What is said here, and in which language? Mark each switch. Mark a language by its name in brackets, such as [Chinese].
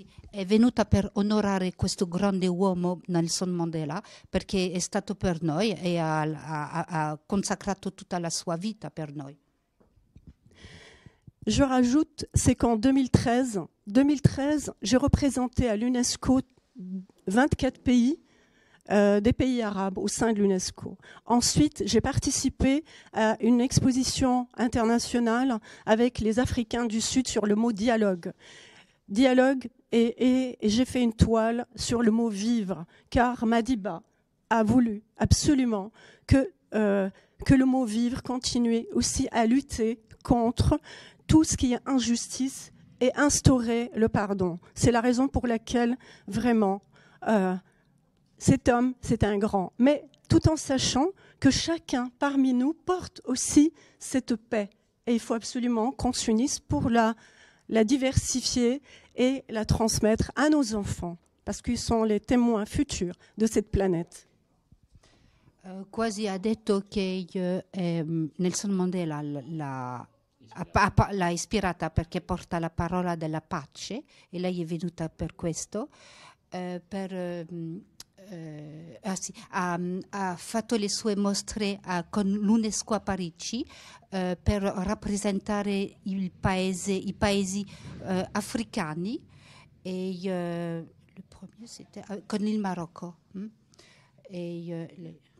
[Italian] È venuta per onorare questo grande uomo Nelson Mandela perché è stato per noi e ha consacrato tutta la sua vita per noi. [French] Je rajoute, c'est qu'en 2013, j'ai représenté à l'UNESCO 24 pays, des pays arabes au sein de l'UNESCO. Ensuite, j'ai participé à une exposition internationale avec les Africains du Sud sur le mot dialogue. Dialogue, et j'ai fait une toile sur le mot vivre, car Madiba a voulu absolument que le mot vivre continue aussi à lutter contre tout ce qui est injustice et instaurer le pardon. C'est la raison pour laquelle vraiment cet homme, c'est un grand. Mais tout en sachant que chacun parmi nous porte aussi cette paix. Et il faut absolument qu'on s'unisse pour la diversifier et la transmettre à nos enfants, parce qu'ils sont les témoins futurs de cette planète. [Italian] Quasi ha detto che Nelson Mandela l'ha ispirata perché porta la parola della pace e lei è venuta per questo. Ha fatto le sue mostre con l'UNESCO a Parigi per rappresentare i paesi africani con il Marocco. E, le,